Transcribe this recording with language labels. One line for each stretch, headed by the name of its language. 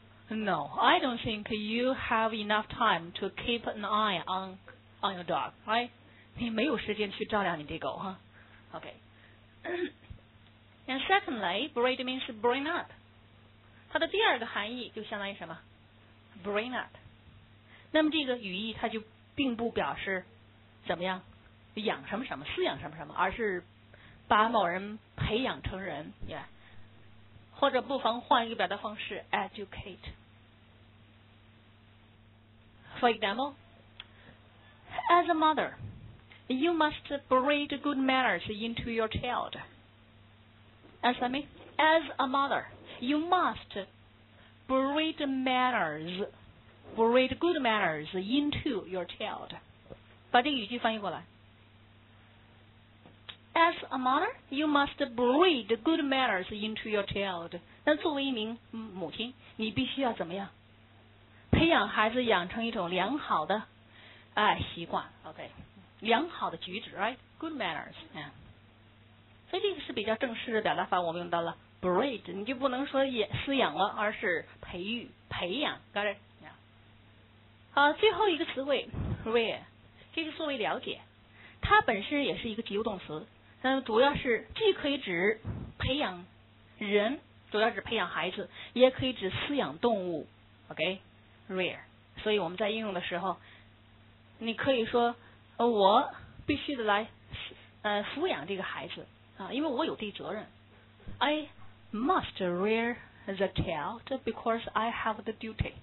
English: No， I don't think you have enough time to keep an eye on your dog， right？
Chinese: 你没有时间去照料你的狗哈。
English: OK， and secondly， breed means bring up，
Chinese: 它的第二个含义就相当于什么？
English: bring up。
Chinese: 那么这个语义它就并不表示怎么样养什么什么饲养什么什么，而是把某人培养成人、yeah. 或者不妨换一个表达方式 educate。
English: For example， As a mother you must breed good manners into your child。 As I mean， As a mother you must breed mannersbreed good manners into your child。
Chinese: 把这个语句翻译过来，
English: As a mother you must breed good manners into your child。
Chinese: 那作为一名母亲，你必须要怎么样培养孩子养成一种良好的、习惯， OK， 良好的举止， right？
English: Good manners、
Chinese: yeah. 所以这个是比较正式的表达法，我们用到了 breed， 你就不能说饲养了，而是培育培养，
English: got it？
Chinese: 好，最后一个词汇 rare， 这是作为了解，它本身也是一个及物动词，主要是既可以指培养人主要指培养孩子，也可以指饲养动物 OK rear。所以我们在应用的时候，你可以说我必须得来抚养这个孩子啊，因为我有这责任。
English: I must rear the child because I have the duty.